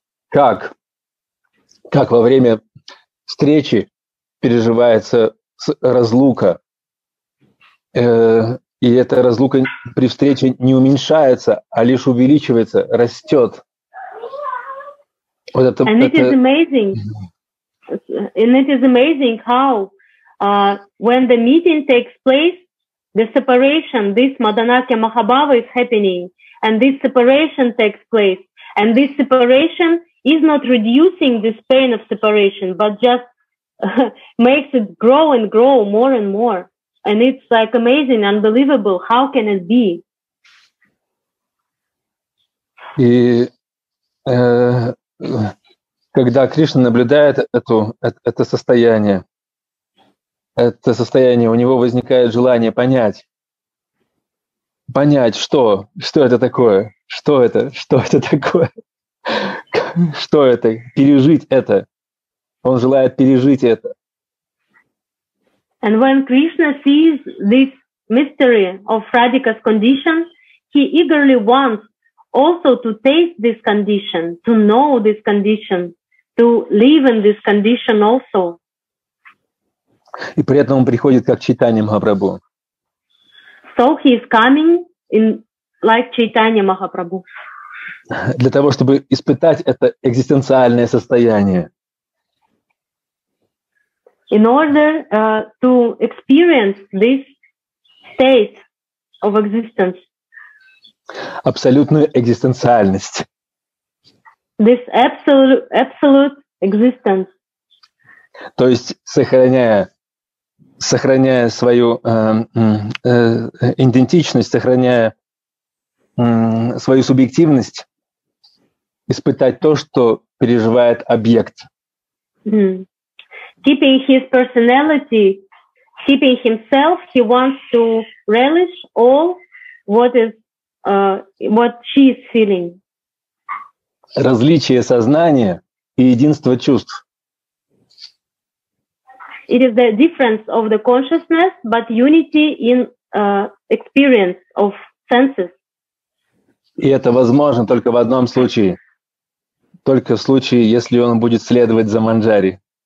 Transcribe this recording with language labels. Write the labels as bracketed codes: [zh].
[ru] Как во время встречи переживается разлука, и эта разлука при встрече не уменьшается, а лишь увеличивается, растет. Вот это, [en] and it [ru] это... [en] is amazing. and it is amazing how when the meeting takes place, the separation, this Madanakya Mahabhava is happening, and this separation takes place, and this separation is not reducing this pain of separation, but just makes it grow and grow more and more. And it's like amazing, unbelievable. How can it be? [ru] И когда Кришна наблюдает это состояние, у него возникает желание понять, что это такое, пережить это. Он желает пережить это. [en] And when Krishna sees this mystery of Radhika's condition, he eagerly wants also to taste this condition, to know this condition, to live in this condition also. [ru] И при этом он приходит как Чайтанья Махапрабху. [en] So he is coming in like Чайтанья Махапрабху. [ru] Для того, чтобы испытать это экзистенциальное состояние. [en] In order to experience this state of existence. [ru] Абсолютную экзистенциальность. [en] This absolute existence. [ru] То есть сохраняя свою идентичность, сохраняя свою субъективность, испытать то, что переживает объект. [en] Keeping his personality, keeping himself, he wants to relish all what is what she is feeling. [ru] Различие сознания и единство чувств. [en] It is the difference of the consciousness, but unity in experience of senses. [ru] И это возможно только в одном случае. Только в случае, если он будет следовать за Манджари.